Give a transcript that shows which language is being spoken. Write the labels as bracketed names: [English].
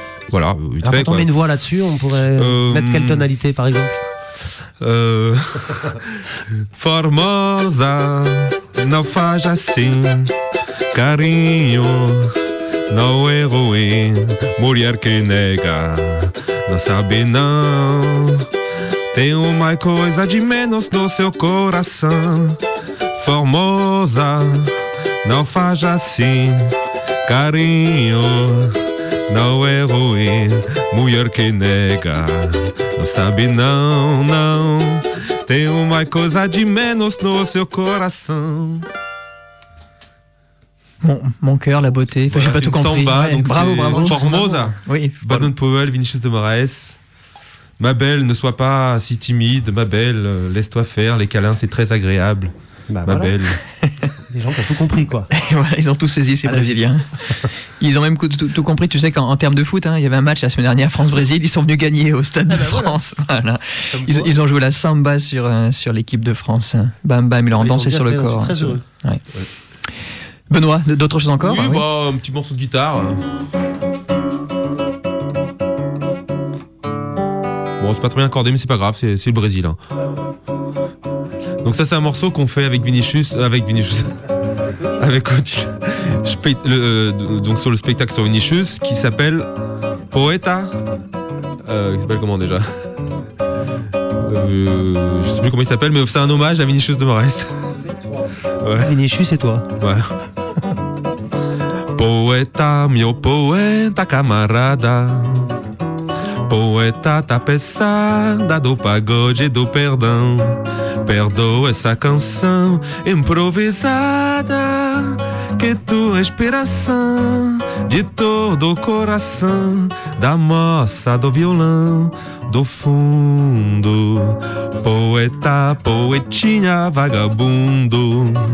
[French] Voilà, alors quand on met une voix là-dessus, on pourrait mettre quelle tonalité, par exemple [Portuguese] Formosa, não faz assim, carinho, não é ruim, mulher que nega, não sabe não, tem uma coisa de menos no seu coração, Formosa, não faz assim, carinho, não é ruim, mulher que nega, não sabe não, não, tem uma coisa de menos no seu coração. [French] Mon cœur, la beauté, enfin, voilà, j'ai pas tout compris. Samba, ouais, donc bravo, bravo. Formosa, oui, Baden Powell, Vinicius de Moraes. Ma belle, ne sois pas si timide, ma belle, laisse-toi faire, les câlins, c'est très agréable. Bah, ma voilà. Belle. Les gens ont tout compris, quoi. Voilà, ils ont tout saisi, ces Brésiliens. Ils ont même tout compris, tu sais, qu'en termes de foot, hein, il y avait un match la semaine dernière, France-Brésil, ils sont venus gagner au Stade de France. Voilà. Ils ont joué la samba sur l'équipe de France. Bam, bam, ils leur ont dansé sur le corps. Très heureux. Ouais. Ouais. Benoît, d'autres choses encore? Oui, bah, un petit morceau de guitare. Bon, c'est pas très bien accordé, mais c'est pas grave, c'est le Brésil. Hein. Donc ça, c'est un morceau qu'on fait avec Vinicius... Avec Odile. Donc sur le spectacle sur Vinicius, qui s'appelle Poeta... Il s'appelle comment déjà? Je sais plus comment il s'appelle, mais c'est un hommage à Vinicius de Moraes. Ouais. Vinicius, c'est toi. Ouais. [Portuguese] Poeta, meu poeta camarada, poeta tapeçada do pagode do perdão, perdoa essa canção improvisada, que tua inspiração de todo o coração da moça do violão do fundo, poeta, poetinha, vagabundo.